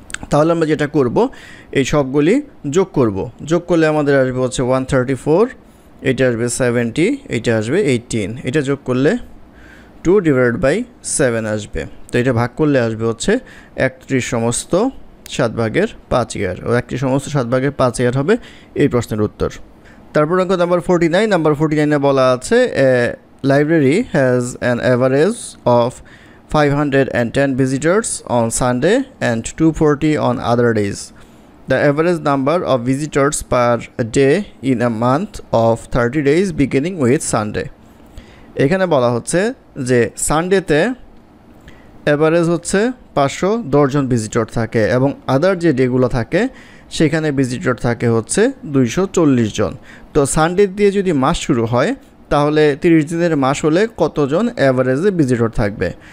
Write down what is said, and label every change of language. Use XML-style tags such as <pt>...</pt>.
<bn>তাহলে আমরা যেটা করব এই সবগুলি যোগ করব, যোগ করলে আমাদের আসবে হচ্ছে 134, এটা আসবে 70, এটা আসবে 18, এটা যোগ করলে 2 ডিভাইড বাই 7 আসবে, তো এটা ভাগ করলে আসবে হচ্ছে 31 সমস্ত 7 ভাগের 5 ইয়ার, ও 31 সমস্ত 7 ভাগের 5 ইয়ার হবে এই প্রশ্নের উত্তর। তারপর অঙ্ক নাম্বার 49, নাম্বার 49 বলা আছে</bn> <en>A library has an average of 510 visitors on Sunday and 240 on other days. The average number of visitors per day in a month of 30 days beginning with Sunday.</en> <bn>এখানে বলা হচ্ছে যে সানডেতে অ্যাভারেজ হচ্ছে 510 জন ভিজিটর থাকে, এবং আদার যে ডেগুলো থাকে সেখানে ভিজিটর থাকে হচ্ছে 240 জন। তো সানডে দিয়ে যদি মাস শুরু হয় তাহলে 30 দিনের মাস হলে কতজন অ্যাভারেজে ভিজিটর থাকবে।</bn>